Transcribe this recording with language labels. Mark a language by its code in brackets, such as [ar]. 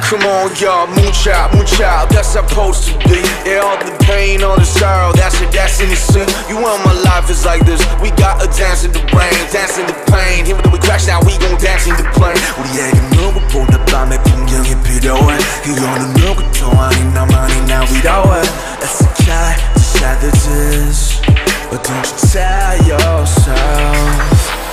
[en] Come on, y'all, Moonchild, Moonchild, that's supposed to be. Yeah, all the pain, all the sorrow, that's your destiny, see. You and my life is like this, we got a dance in the rain, dance in the pain. Even though we crash now, we gon' dance in the plane. [ko] 우리에게 누구보다 밤에 풍경이 필요해. 그거는 누구도 아닌 나만이 난 위로해. [en] Let's try to shed the tears. But don't you tell yourself,